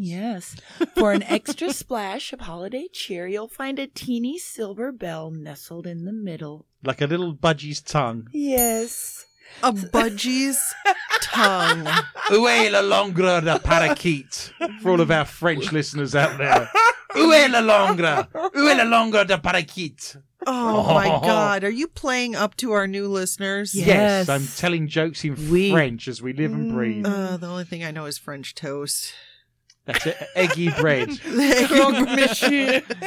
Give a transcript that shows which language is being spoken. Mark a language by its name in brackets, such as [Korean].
[English] Yes. For an extra splash of holiday cheer, you'll find a teeny silver bell nestled in the middle. Like a little budgie's tongue. Yes. A budgie's tongue. [French] Où est la longue de parakeet? [English] For all of our French listeners out there. [French] Où est la longue? Où est la longue de parakeet? [English] Oh, my God. Are you playing up to our new listeners? Yes. I'm telling jokes in French as we live and breathe. The only thing I know is French toast. That's it. Eggy bread. Croque monsieur.